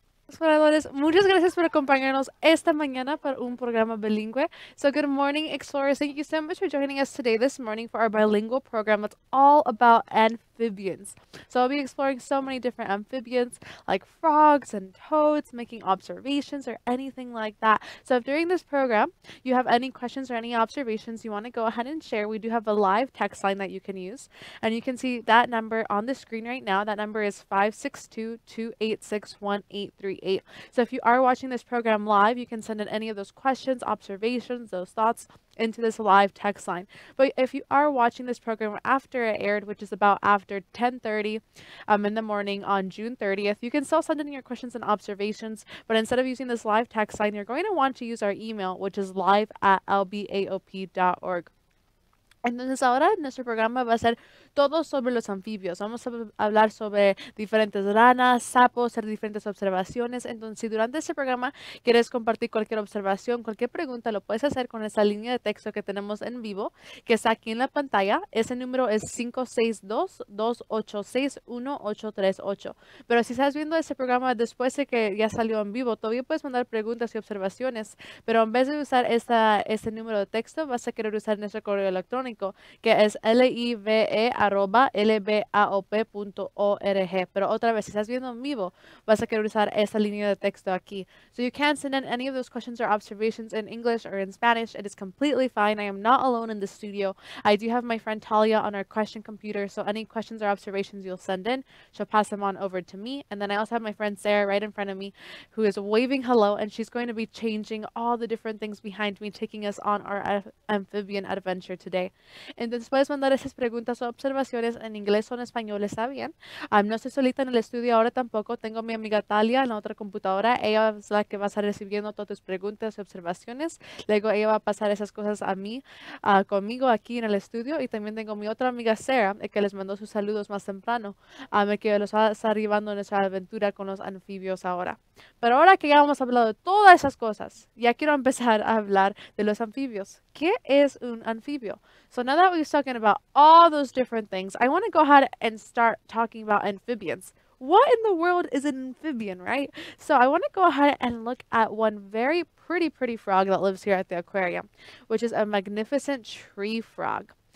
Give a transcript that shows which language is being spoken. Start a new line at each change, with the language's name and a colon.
Spanish: Exploradores, muchas gracias por acompañarnos esta mañana para un programa bilingüe.
English: So, good morning, explorers. Thank you so much for joining us today, this morning, for our bilingual program that's all about amphibians. So, I'll be exploring so many different amphibians, like frogs and toads, making observations or anything like that. So, if during this program you have any questions or any observations you want to go ahead and share, we do have a live text line that you can use. And you can see that number on the screen right now. That number is 562-286-183. So if you are watching this program live, you can send in any of those questions, observations, those thoughts into this live text line. But if you are watching this program after it aired, which is about after 10:30 in the morning on June 30th, you can still send in your questions and observations. But instead of using this live text line, you're going to want to use our email, which is live@lbaop.org.
Spanish: Entonces ahora nuestro programa va a ser todo sobre los anfibios. Vamos a hablar sobre diferentes ranas, sapos, hacer diferentes observaciones. Entonces, si durante este programa quieres compartir cualquier observación, cualquier pregunta, lo puedes hacer con esa línea de texto que tenemos en vivo, que está aquí en la pantalla. Ese número es 562-286-1838. Pero si estás viendo este programa después de que ya salió en vivo, todavía puedes mandar preguntas y observaciones. Pero en vez de usar este número de texto, vas a querer usar nuestro correo electrónico, que es live@lbaop.org. Pero otra vez, si estás viendo en vivo, vas a querer usar esta línea de texto aquí.
English: So you can send in any of those questions or observations in English or in Spanish. It is completely fine. I am not alone in the studio. I do have my friend Talia on our question computer. So any questions or observations you'll send in, she'll pass them on over to me. And then I also have my friend Sarah right in front of me, who is waving hello, and she's going to be changing all the different things behind me, taking us on our amphibian adventure today. And
Spanish: después mandar esas preguntas observaciones en inglés o en español, está bien. No estoy solita en el estudio ahora tampoco. Tengo a mi amiga Talia en la otra computadora. Ella es la que va a estar recibiendo todas tus preguntas y observaciones. Luego ella va a pasar esas cosas a mí, conmigo aquí en el estudio. Y también tengo a mi otra amiga Sarah, que les mandó sus saludos más temprano, que los va a estar llevando en esa aventura con los anfibios ahora. Pero ahora que ya hemos hablado de todas esas cosas, ya quiero empezar a hablar de los anfibios. ¿Qué es un anfibio?
English: So now that we're talking about all those different things, I want to go ahead and start talking about amphibians. What in the world is an amphibian, right? So I want to go ahead and look at one very pretty, pretty frog that lives here at the aquarium, which is a magnificent tree frog.